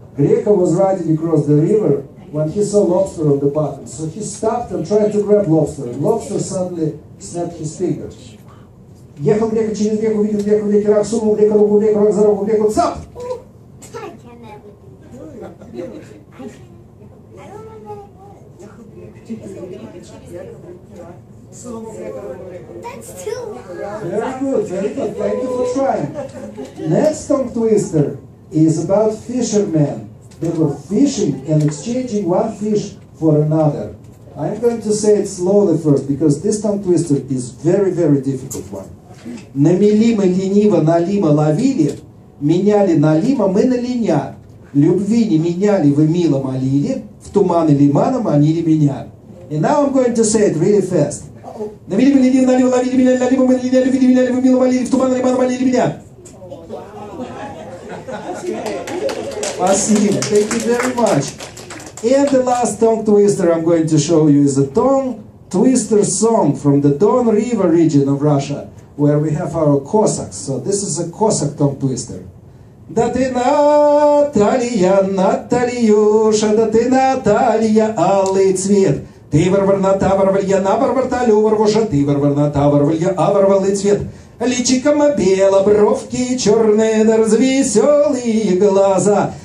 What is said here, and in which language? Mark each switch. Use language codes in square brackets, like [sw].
[en] Greco was riding across the river when he saw lobster on the bottom. So he stopped and tried to grab lobster. Lobster suddenly snapped his finger. [ru] Ехал Греко через реку, видел Греко в реке рак, сунул Греко руку в реку, рак за руку в реку, цап! [en] I don't know. That's two. Very good. Thank you for trying. Next tongue twister is about fishermen. They were fishing and exchanging one fish for another. I'm going to say it slowly first, because this tongue twister is very, very difficult one. [ru] На мели мы лениво на лима ловили, меняли на лима мы на линя. Любви не меняли, вы мило молили, в туманы лимана манили меня. [en] And now I'm going to say it really fast. [ru] На мели мы лениво на лима ловили, меняли на лима мы на линя, любви не меняли, вы мило молили, в туманы лимана манили меня. Спасибо. [en] Thank you very much. And the last tongue twister I'm going to show you is a tongue twister song from the Don River region of Russia, where we have our Cossacks. So this is a Cossack tongue twister. [ru] Да ты Наталья, Натальюша, да ты Наталья, алый цвет. Ты варварна, таварвалья, наварварталю, варвуша, ты варварна, таварвалья, аварвалый цвет. Личиком бело, бровки черные, да развеселые глаза.